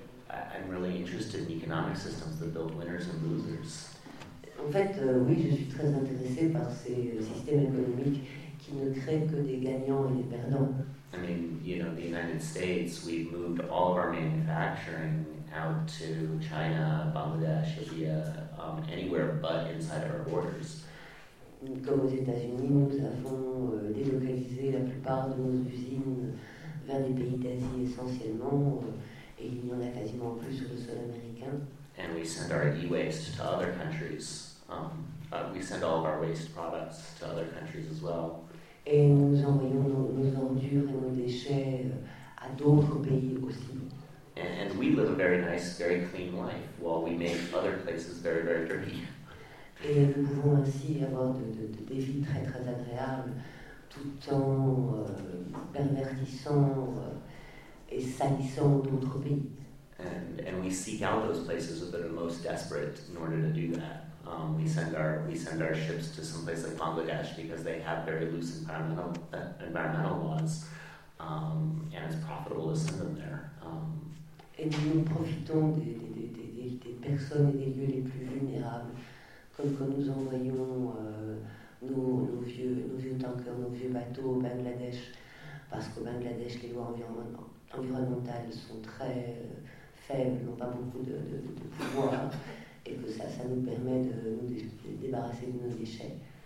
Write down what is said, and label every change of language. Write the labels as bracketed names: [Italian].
[English] I'm really interested in economic systems that build winners and losers. [French] En fait, oui, je suis très intéressée par ces systèmes économiques qui ne créent que des gagnants et des perdants. [English] I mean, you know, the United States, we've moved all of our manufacturing out to China, Bangladesh, India, anywhere but inside our borders. [French] Comme aux États-Unis, nous avons délocalisé la plupart de nos usines vers des pays d'Asie essentiellement, et il n'y en a quasiment plus sur le sol américain. [English] And we send our e-waste to other countries. We send all of our waste products to other countries as well. [French] Et nous envoyons nos ordures et nos déchets à d'autres pays aussi. [English] And we live a very nice, very clean life, while we make other places very, very dirty. [French] Et nous pouvons ainsi avoir des vies très, très agréables, tout en pervertissant et salissant d'autres pays. [English] And we seek out those places that are the most desperate in order to do that. We send our ships to some place like Bangladesh because they have very loose environmental laws, and it's profitable to send them there. [French] Et nous profitons des personnes et des lieux les plus vulnérables, comme quand nous envoyons nos vieux tankers, nos vieux bateaux au Bangladesh, parce qu'au Bangladesh les lois environnementales sont très faibles, n'ont pas beaucoup de pouvoir, et que ça nous permet de nous débarrasser de nos déchets.